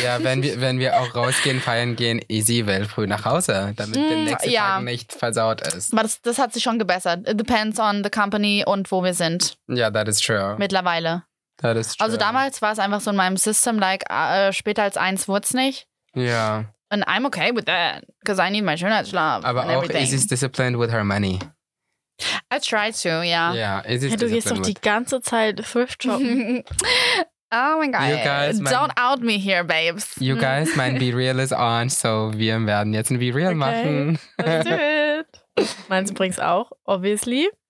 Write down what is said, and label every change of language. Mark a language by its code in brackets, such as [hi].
[de] Ja, wenn wir auch rausgehen, feiern gehen, [en] easy, well, [de] früh nach Hause, damit der nächste ja. Tag nicht versaut ist. Aber das hat sich schon gebessert. [en] It depends on the company [de] und wo wir sind. [en] Ja, yeah, that is true. [de] Mittlerweile. [en] That is true. [de] Also damals war es einfach so in meinem System, like, später als eins wurde es nicht. Ja. [en] Yeah. And I'm okay with that, because I need my Schönheitsschlaf. [de] Aber [en] and [de] auch, [en] everything. Is disciplined with her money? I try to, yeah. Yeah, is [de] du gehst doch die ganze Zeit thrift shoppen. [en] Oh my God. You guys, don't out me here, babes. You guys, [de] mein B-Real [en] is on, so [de] wir werden jetzt ein B-Real machen. [en] Let's do it. [de] Meins übrigens auch, [en] obviously.